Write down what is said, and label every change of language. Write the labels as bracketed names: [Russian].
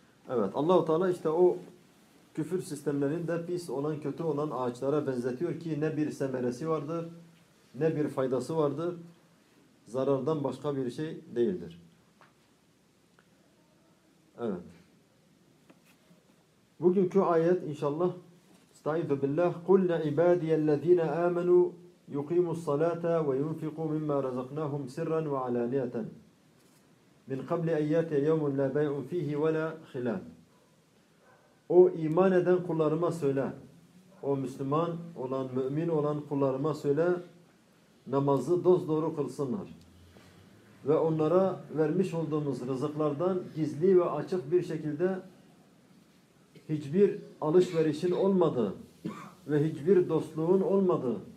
[Turkish] Evet, Allah-u Teala işte o küfür sistemlerinde pis olan, kötü olan ağaçlara benzetiyor ki ne bir semeresi vardır, ne bir faydası vardır. Zarardan başka bir şey değildir. Evet. Bugünkü ayet inşallah [Arabic] Estaizu billah قُلْ لِعِبَادِيَ الَّذ۪ينَ آمَنُوا يُقِيمُوا الصَّلَاةَ وَيُنْفِقُوا مِمَّا رَزَقْنَاهُمْ سِرًّا وَعَلَانِيَةً مِنْ قَبْلِ اَيَّاتِ يَوْمٌ لَا بَيْعُ ف۪يهِ وَلَا خِلَانٍ. [Turkish] O iman eden kullarıma söyle, o Müslüman olan, mümin olan kullarıma söyle, namazı dosdoğru kılsınlar ve onlara vermiş olduğumuz rızıklardan gizli ve açık bir şekilde hiçbir alışverişin olmadığı ve hiçbir dostluğun olmadığı,